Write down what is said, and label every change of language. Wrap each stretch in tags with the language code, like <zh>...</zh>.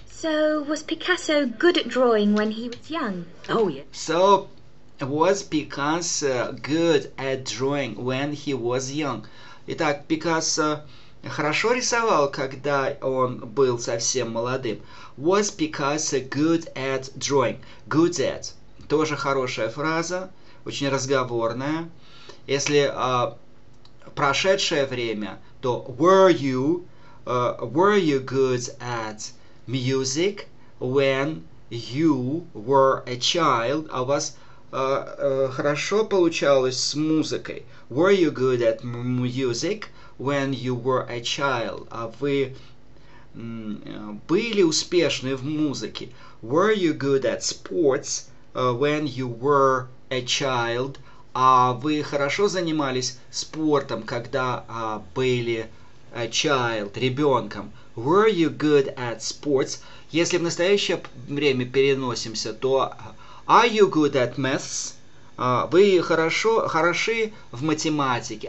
<en>So, was Picasso good at drawing when he was young? Oh, yeah. So, was Picasso good at drawing when he was young?</en> <ru>Итак, Picasso хорошо рисовал, когда он был совсем молодым.</ru> <en>Was Picasso good at drawing? Good at.</en> <ru>Тоже хорошая фраза, очень разговорная. Если прошедшее время, то</ru> <en>were you good at music when you were a child?</en> <ru>А у вас хорошо получалось с музыкой?</ru> <en>Were you good at music when you were a child?</en> <ru>А вы были успешны в музыке?</ru> <en>Were you good at sports when you were a child?</en> <ru>А вы хорошо занимались спортом, когда были</ru> <en>a child,</en> <ru>ребенком?</ru> <en>Were you good at sports?</en> <ru>Если в настоящее время переносимся, то</ru> <en>are you good at maths?</en> <ru>Вы хороши в математике.</ru>